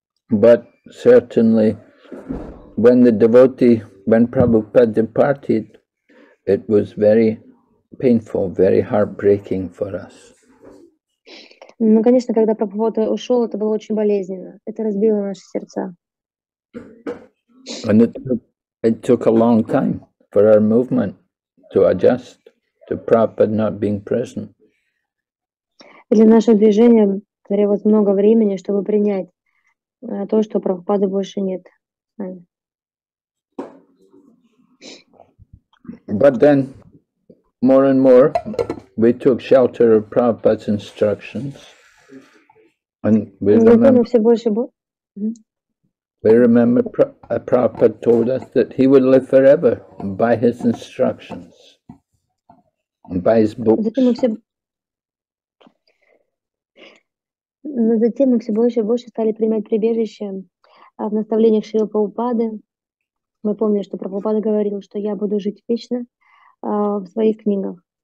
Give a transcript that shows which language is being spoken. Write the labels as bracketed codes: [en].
[en] But certainly, when the devotee, when Prabhupada departed, it was very painful, very heartbreaking for us. [ru] Ну, конечно, когда Прабхупада ушел, это было очень болезненно. Это разбило наши сердца. [en] And it took a long time for our movement to adjust to Prabhupada not being present. [ru] Для нашего движения требовалось много времени, чтобы принять то, что Прабхупады больше нет. [en] But then, more and more, we took shelter of Prabhupada's instructions, and we remember Prabhupada told us that he would live forever by his instructions, by his books. [ru] Но затем мы все больше и больше стали принимать прибежище в наставлениях Шрилы Прабхупады. Мы помним, что Прабхупада говорил, что я буду жить вечно в своих книгах.